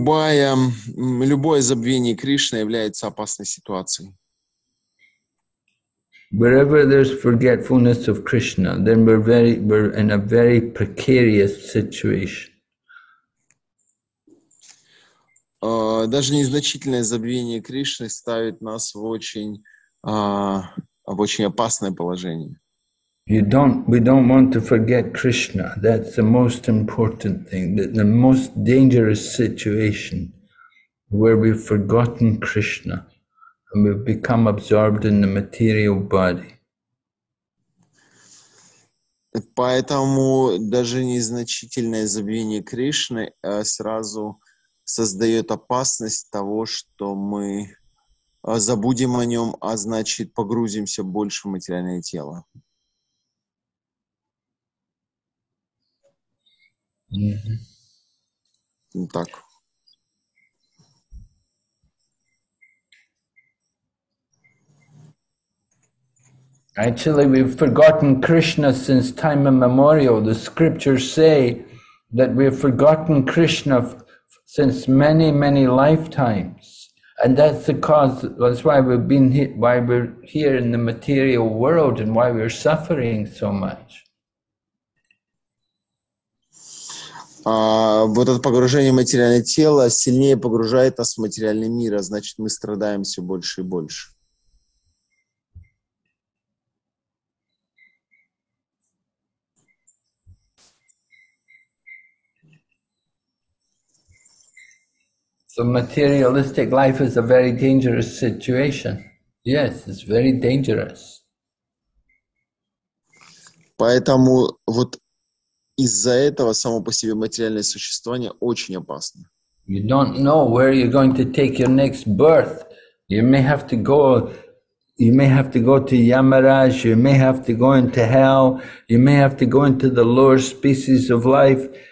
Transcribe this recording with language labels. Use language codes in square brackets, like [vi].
[ru] Любое забвение Кришны является опасной ситуацией. [en] Wherever there's forgetfulness of Krishna, then we're in a very precarious situation. [ru] Даже незначительное забвение Кришны ставит нас в очень опасное положение. [en] We don't want to forget Krishna. That's the most important thing. The most dangerous situation where we've forgotten Krishna and we've become absorbed in the material body. [ru] Поэтому даже незначительное забвение Кришны сразу создает опасность того, что мы забудем о нем, а значит, погрузимся больше в материальное тело. Mm-hmm. Так. [en] Actually, we've forgotten Krishna since time immemorial. The scriptures say that we've forgotten Krishna since many, many lifetimes. And that's the cause, that's why we've been here, why we're here in the material world and why we're suffering so much. [ru] Вот это погружение в материальное тело сильнее погружает нас в материальный мир, а значит, мы страдаем все больше и больше. [en] So materialistic life is a very dangerous situation. Yes, it's very dangerous. [ru] Поэтому вот из-за этого само по себе материальное существование очень опасно. [en] You don't know where you're going to take your next birth. You may have to go to Yamaraj, you may have to go into hell, you may have to go into the lower species of life.